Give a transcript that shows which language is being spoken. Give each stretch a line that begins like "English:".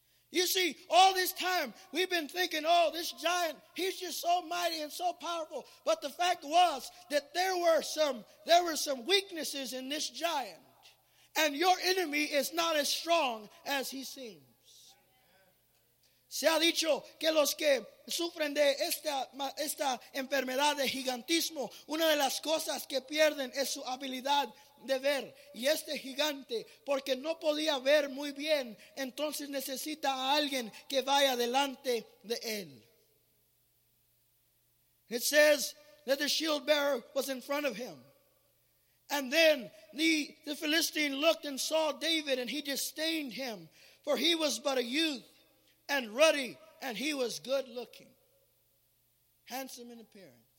English: You see, all this time we've been thinking, oh, this giant, he's just so mighty and so powerful. But the fact was that there were some weaknesses in this giant. And your enemy is not as strong as he seems.
Spanish: Se ha dicho que los que sufren de esta enfermedad de gigantismo, una de las cosas que pierden es su habilidad de ver. Y este gigante, porque no podía ver muy bien, entonces necesita a alguien que vaya delante de él.
English: It says that the shield bearer was in front of him. And then the Philistine looked and saw David, and he disdained him, for he was but a youth and ruddy, and he was good looking, handsome in appearance.